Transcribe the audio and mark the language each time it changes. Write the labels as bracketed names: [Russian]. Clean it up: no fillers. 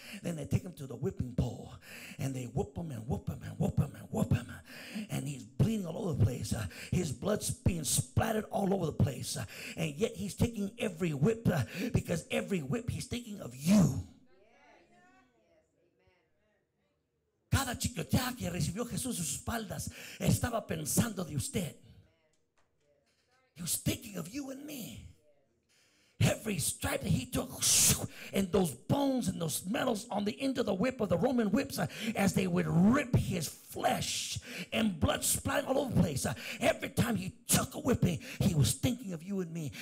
[English] Then they take him to the whipping pole, and they whoop him and whoop him and whoop him and whoop him. And he's bleeding all over the place. His blood's being splattered all over the place. And yet he's taking every whip because every whip he's thinking of you. [Spanish] Cada chicoteada que recibió Jesús en sus espaldas estaba pensando de usted. [English] He was thinking of you and me. Every stripe that he took, and those bones and those metals on the end of the whip of the Roman whips, as they would rip his flesh and blood splattering all over the place. Every time he took a whipping, he was thinking of you and me.